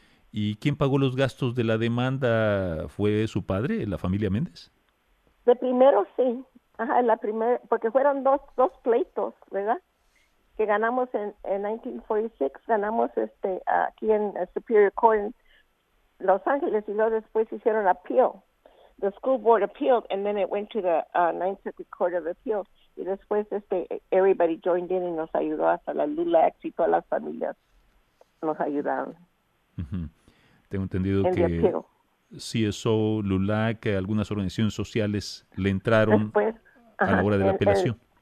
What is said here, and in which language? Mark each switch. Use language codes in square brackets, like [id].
[es] ¿Y quién pagó los gastos de la demanda? ¿Fue su padre, la familia Méndez? De primero sí, ajá, la primera, porque fueron dos pleitos, ¿verdad? Que ganamos en 1946, ganamos aquí en Superior Court en Los Ángeles, y luego después hicieron appeal. [en] The school board appealed, and then it went to the Ninth Circuit Court of Appeal. [es] Y después [en] everybody joined in [es] y nos ayudó, hasta la LULAC y todas las familias nos ayudaron. Uh-huh. Tengo entendido en que CSO, LULAC, algunas organizaciones sociales le entraron después, a la hora de la apelación.